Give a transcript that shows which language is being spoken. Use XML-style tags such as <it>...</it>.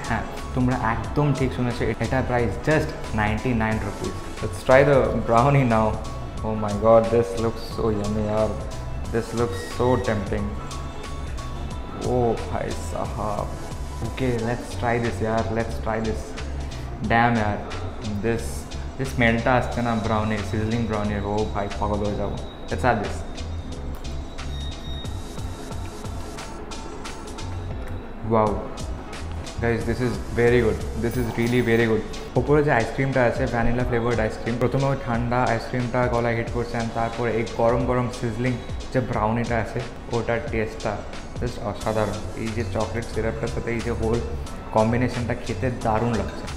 <bn>হ্যাঁ, তোমরা একদম ঠিক শুনেছো, এটার</bn> <en>price just 99 rupees. Let's try the brownie now. Oh my god, this looks so yummy yaar. This looks so tempting. Oh bhai sahab. Okay, let's try this yaar. Let's try this. Damn yaar. This melt</en> <bn>আসছে না</bn> <en>brownie, sizzling brownie.</en> <bn>Oh bhai, পাগল হয়ে যাবো.</bn> <en>Let's add this. Wow, guys, this is very good. This is really very good.</en> <bn>উপরে যে আইসক্রিমটা আছে, vanilla flavoured ice cream, প্রথমে ওই ঠান্ডা আইসক্রিমটা গলায় হিট করছে, তারপর এই গরম গরম সিজলিং যে ব্রাউনিটা আছে ওটার টেস্টটা জাস্ট অসাধারণ। এই যে চকলেট সিরাপটার সাথে এই যে হোল কম্বিনেশনটা খেতে দারুণ লাগছে।</bn>